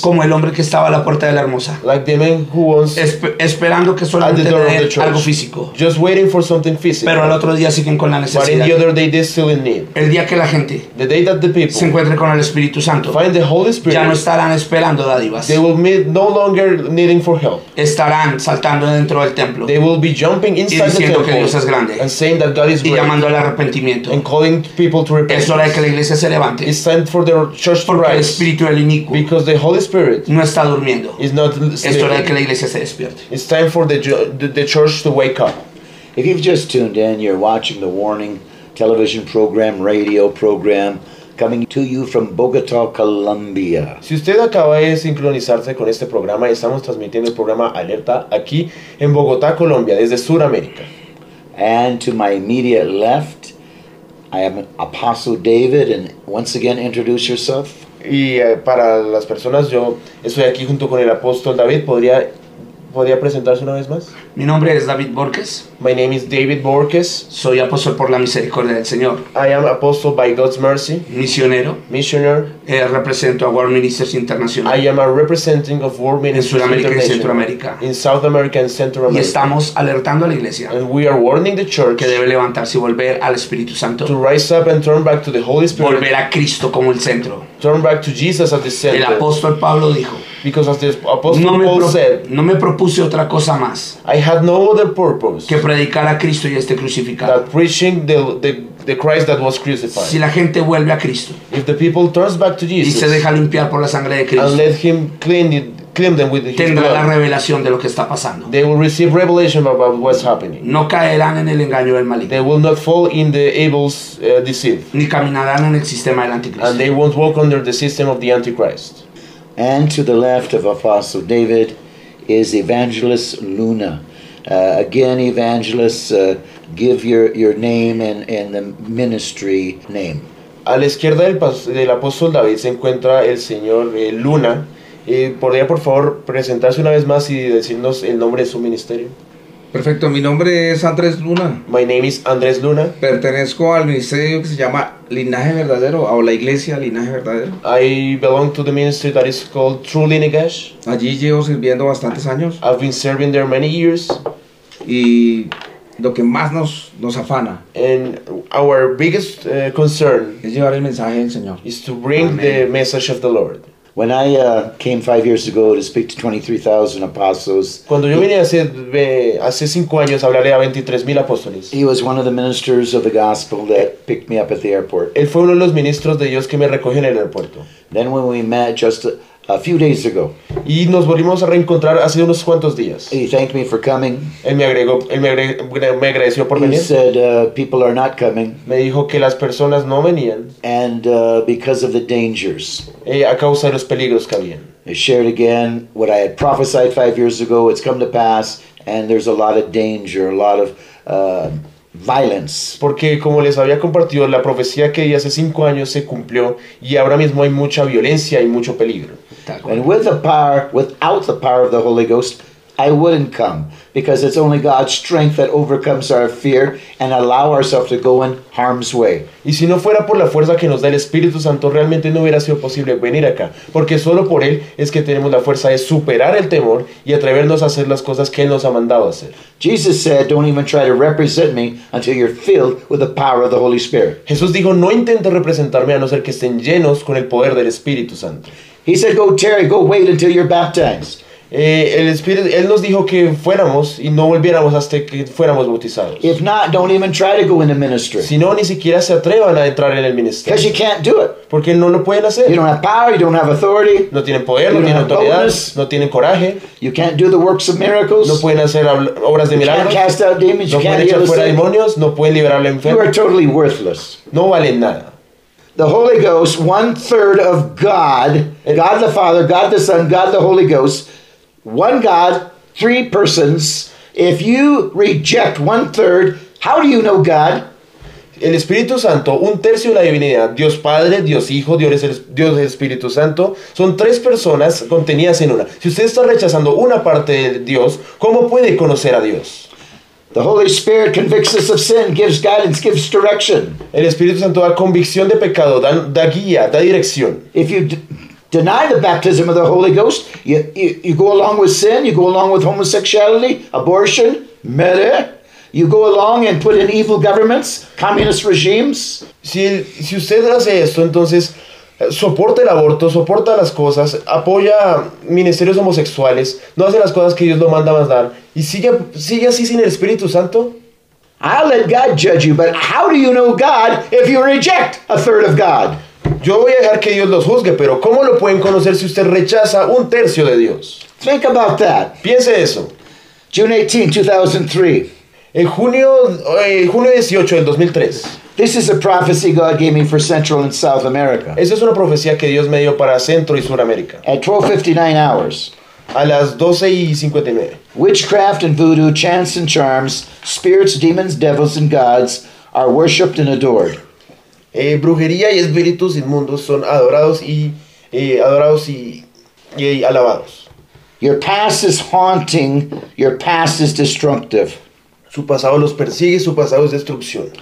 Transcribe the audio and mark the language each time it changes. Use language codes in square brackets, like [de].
[es] como el hombre que estaba a la puerta de la hermosa, [en] like the man who was [es] esperando que solamente le dé algo físico, [en] just waiting for something physical. [es] Pero al otro día siguen con la necesidad. [en] But in the other day they still in need. [es] El día que la gente, [en] the day that the people, [es] se encuentre con el Espíritu Santo, [en] find the Holy Spirit, [es] ya no estarán esperando dádivas. [en] They will be no longer needing for help. [es] Estarán saltando dentro del templo. [en] They will be jumping inside the temple. [es] Y diciendo que Dios es grande. [en] And saying that God is great. [es] Y llamando al arrepentimiento. [en] And calling people to repent. [es] Es hora de que la iglesia se levante. [en] It's time for the church to rise. [es] El espíritu del inicuo. [en] Because the Holy Spirit [es] no está durmiendo. [en] Is not sleeping. [es] Es hora de que la iglesia se despierte. [en] It's time for the church to wake up. If you've just tuned in, you're watching The Warning television program, radio program, coming to you from Bogotá, Colombia. [es] Si usted acaba de sincronizarse con este programa, estamos transmitiendo el programa Alerta aquí en Bogotá, Colombia, desde Sudamérica. [en] And to my immediate left, I am Apostle David, and once again, introduce yourself. [es] Y para las personas, yo estoy aquí junto con el apóstol David. ¿Podría presentarse una vez más? Mi nombre es David Borges. [en] My name is David Borges. [es] Soy apóstol por la misericordia del Señor. [en] I am apostle by God's mercy. [es] Misionero. [en] Missioner. [es] Represento a World Ministers International. [en] I am a representing of World Ministers [es] International. En Centroamérica. [en] In South America and Central America. [es] Y estamos alertando a la iglesia. [en] And we are warning the church. [es] Que debe levantarse y volver al Espíritu Santo. [en] To rise up and turn back to the Holy Spirit. [es] Volver a Cristo como el centro. [en] Turn back to Jesus as the center. [es] El apóstol Pablo dijo. [en] Because as the apostle Paul said. [es] No me propuse otra cosa más. [en] I had no other purpose. [es] Que predicar a Cristo y este crucificado. [en] That preaching the Christ that was crucified. [es] Si la gente vuelve a Cristo. [en] If the people turns back to Jesus. [es] Y se deja limpiar por la sangre de Cristo. [en] And let him clean them with his blood. [es] Tendrá la revelación de lo que está pasando. [en] They will receive revelation about what's happening. [es] No caerán en el engaño del maligno. [en] They will not fall in the evil's deceit. [es] Ni caminarán en el sistema del anticristo. [en] And they won't walk under the system of the antichrist. And to the left of Apostle David is Evangelist Luna. Again, Evangelist, give your name and the ministry name. [es] A la izquierda del apóstol David se encuentra el señor Luna. ¿Podría, por favor, presentarse una vez más y decirnos el nombre de su ministerio? Perfecto, mi nombre es Andrés Luna. [en] My name is Andrés Luna. [es] Pertenezco al ministerio que se llama Linaje Verdadero, o la iglesia Linaje Verdadero. [en] I belong to the ministry that is called True Lineage. [es] Allí llevo sirviendo bastantes años. [en] I've been serving there many years. [es] Y lo que más nos afana. [en] And our biggest concern. [es] Es llevar el mensaje del Señor. [en] Is to bring Amen. The message of the Lord. When I came 5 years ago to speak to 23,000 apostles. [es] Cuando yo vine hace 5 años, hablaré a 23,000 apóstoles. [en] He was one of the ministers of the gospel that picked me up at the airport. [es] Él fue uno de los ministros de Dios que me recogió en el aeropuerto. [en] Then when we met just a few days ago. [es] Y nos volvimos a reencontrar hace unos cuantos días. [en] He thanked me for coming. [es] Él me agradeció por venir. [en] He said people are not coming. [es] Me dijo que las personas no venían. [en] And because of the dangers. [es] A causa de los peligros que habían. [en] I shared again what I had prophesied 5 years ago. It's come to pass, and there's a lot of danger, a lot of violence. [es] Porque como les había compartido, la profecía que di hace 5 años se cumplió y ahora mismo hay mucha violencia y mucho peligro. [en] And with the power, without the power of the Holy Ghost, I wouldn't come. Because it's only God's strength that overcomes our fear and allow ourselves to go in harm's way. [es] Y si no fuera por la fuerza que nos da el Espíritu Santo, realmente no hubiera sido posible venir acá. Porque solo por Él es que tenemos la fuerza de superar el temor y atrevernos a hacer las cosas que Él nos ha mandado hacer. [en] Jesus said, don't even try to represent me until you're filled with the power of the Holy Spirit. [es] Jesús dijo, no intente representarme a no ser que estén llenos con el poder del Espíritu Santo. [en] He said, go tarry, go wait until you're baptized. [es] El Espíritu, Él nos dijo que fuéramos y no volviéramos hasta que fuéramos bautizados. [en] If not, don't even try to go into ministry. [es] Si no, ni siquiera se atrevan a entrar en el ministerio. [en] Because you can't do it. [es] Porque no lo pueden hacer. [en] You don't have power, you don't have authority. [es] No tienen poder, no tienen autoridad. [en] Bonus. [es] No tienen coraje. [en] You can't do the works of miracles. [es] No pueden hacer obras de milagros. [en] You can't cast out demons. [es] No pueden echar fuera demonios. No pueden liberar al enfermo. [en] You are totally worthless. [es] No valen nada. [en] The Holy Ghost, one third of God, God the Father, God the Son, God the Holy Ghost, one God, three persons, If you reject one third, how do you know God? [es] El Espíritu Santo, un tercio de la divinidad, Dios Padre, Dios Hijo, Dios Espíritu Santo, son tres personas contenidas en una. Si usted está rechazando una parte de Dios, ¿cómo puede conocer a Dios? [en] The Holy Spirit convicts us of sin, gives guidance, gives direction. [es] El Espíritu Santo da convicción de pecado, da guía, da dirección. [en] If you deny the baptism of the Holy Ghost, you go along with sin, you go along with homosexuality, abortion, murder. You go along and put in evil governments, communist regimes. [es] Si usted hace esto, entonces soporta el aborto, soporta las cosas, apoya ministerios homosexuales, no hace las cosas que Dios lo manda a mandar, y sigue así sin el Espíritu Santo. [en] I'll let God judge you, but how do you know God if you reject a third of God? [es] Yo voy a dejar que Dios los juzgue, pero ¿cómo lo pueden conocer si usted rechaza un tercio de Dios? [en] Think about that. [es] Piense eso. [en] June 18, 2003. [es] En junio 18 del 2003. [en] This is a prophecy God gave me for Central and South America. [es] Esa es una profecía que Dios me dio para Centro y Suramérica. [en] At 12:59 hours. [es] A las 12:59. [en] Witchcraft and voodoo, chants and charms, spirits, demons, devils and gods are worshipped and adored. [es] Brujería y espíritus inmundos son adorados y alabados. [en] Your past is haunting, your past is destructive. [es] Su pasado los persigue, su pasado es destrucción.